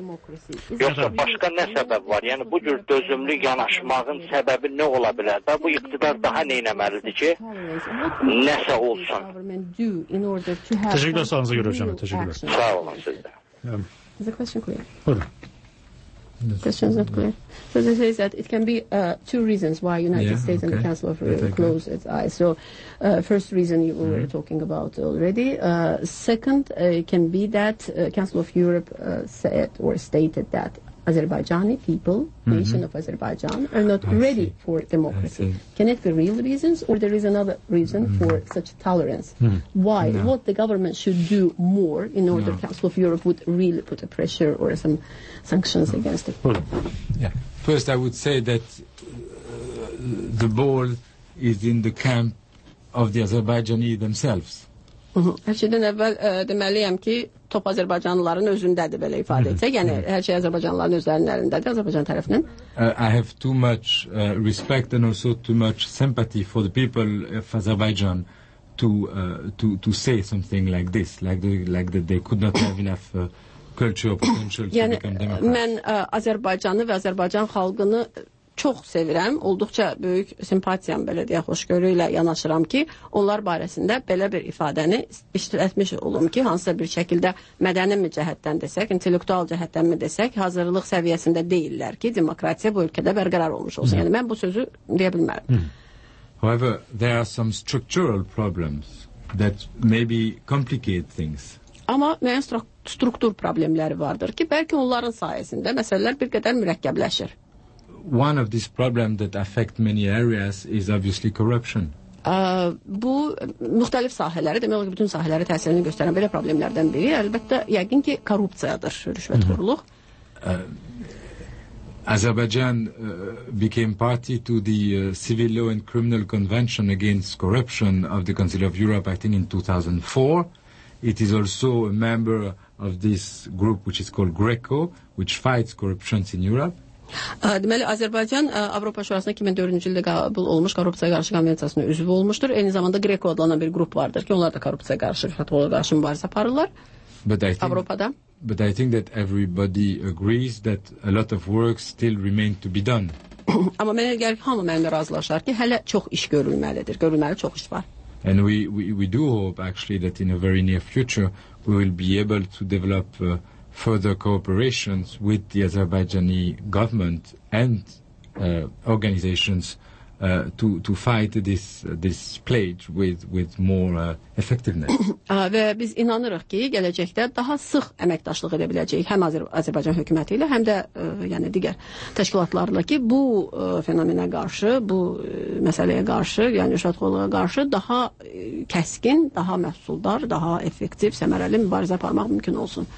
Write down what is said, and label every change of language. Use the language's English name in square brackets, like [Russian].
[Azerbaijani] Yoxsa başqa nə səbəb var? Yəni, bu cür dözümlü yanaşmağın səbəbi nə ola bilər? Bu iqtidar daha nə eləməlidir ki, nəsə olsun? Təşəkkürlər, sağınıza görə hocam, təşəkkürlər. Sağ olun sizdə. Buyurun. [English] Questions not clear. So they say that it can be two reasons why United States and the Council of Europe close its eyes. So first reason you were talking about already. Second can be that Council of Europe said or stated that Azerbaijani people, nation of Azerbaijan, are not ready for democracy. Can it be real reasons or there is another reason for such tolerance? Why? No. What the government should do more in order Council of Europe would really put a pressure or some sanctions against it? Yeah. First, I would say that the ball is in the camp of the Azerbaijani themselves. [Azerbaijani] Hər şeydən əvvəl deməliyəm ki, top Azərbaycanlıların özündədir belə ifadə etsək. Yəni, hər şey Azərbaycanlıların özlərindədir, Azərbaycan tərəfindən. [English] I have too much respect and also too much sympathy for the people of Azerbaijan to say something like this, like that they could not have enough culture potential to [Azerbaijani] yəni, [English] become democrats. [Azerbaijani] Mən Azərbaycanı və Azərbaycan xalqını çox sevirəm, olduqca böyük simpatiyam belə deyə xoşgörü ilə yanaşıram ki, onlar barəsində belə bir ifadəni işlətmiş olum ki, hansısa bir şəkildə mədəni mi cəhətdən desək, intellektual cəhətdən mi desək, hazırlıq səviyyəsində deyirlər ki, demokratiya bu ölkədə bərqərar olmuş olsun. Yəni, mən bu sözü deyə bilmərəm. [English] However, there are some structural problems that maybe complicate things. [Azerbaijani] Amma müəyyən struktur problemləri vardır ki, bəlkə onların sayəsində məsələlər bir qədər mürəkkəbləşir. [English] One of these problems that affect many areas is obviously corruption. [Azerbaijani] Bu müxtəlif sahələri, demək olar ki, bütün sahələri təsirini göstərən belə problemlərdən biri, əlbəttə, yəqin ki, korrupsiyadır, rüşvətxorluq. [English] Azerbaijan became party to the Civil Law and Criminal Convention against Corruption of the Council of Europe, I think, in 2004. It is also a member of this group, which is called GRECO, which fights corruption in Europe. [Azerbaijani] Deməli, Azərbaycan Avropa Şurasına 2004-cü ildə qəbul olmuş korrupsiyaya qarşı konvensiyasına üzv olmuşdur. Eyni zamanda GRECO adlanan bir qrup vardır ki, onlar da korrupsiyaya qarşı, rüşvətxorluğa qarşı mübarizə aparırlar Avropada. [English] But I think that everybody agrees that a lot of work still remains to be done. [Azerbaijani] Amma mənə gəlir ki, hamı mənimlə razılaşar ki, hələ çox iş görülməlidir, görülməli çox iş var. [English] And we do hope actually that in a very near future we will be able to develop further cooperations with the Azerbaijani government and organizations to fight this plague with more effectiveness. [Azerbaijani] Və biz inanırıq ki, gələcəkdə daha sıx əməkdaşlıq edə biləcəyik həm Azərbaycan hökuməti ilə, həm də yəni digər təşkilatlarla ki, bu fenomenə qarşı, bu məsələyə qarşı, yəni rüşvətxorluğa qarşı daha kəskin, daha məhsuldar, daha effektiv, səmərəli mübarizə aparmaq mümkün olsun.